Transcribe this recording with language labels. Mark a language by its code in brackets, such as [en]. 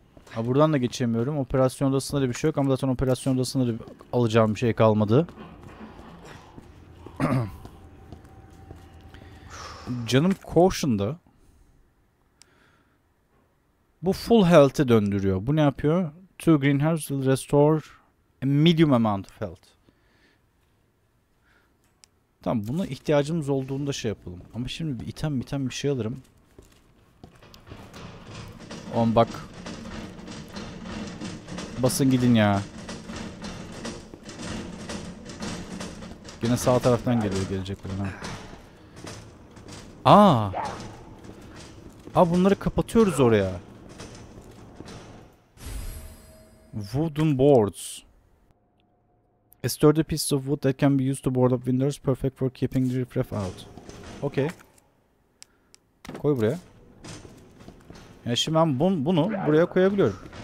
[tr] Ha, buradan da geçemiyorum. Operasyon odasında da bir şey yok ama zaten operasyon odasında da alacağım bir şey kalmadı. Canım caution'da. Bu full health'e döndürüyor. Bu ne yapıyor? [en] Two green herbs will restore a medium amount of health. [tr] Tamam, buna ihtiyacımız olduğunda şey yapalım. Ama şimdi bir item bir şey alırım. Oğlum bak. Basın gidin ya. Yine sağ taraftan geliyor, gelecek buradan. Aa, bunları kapatıyoruz oraya. [en] Wooden boards. A sturdy piece of wood that can be used to board up windows. Perfect for keeping the riffraff out. Okay. [tr] Koy buraya. Ya şimdi ben bunu buraya koyabiliyorum.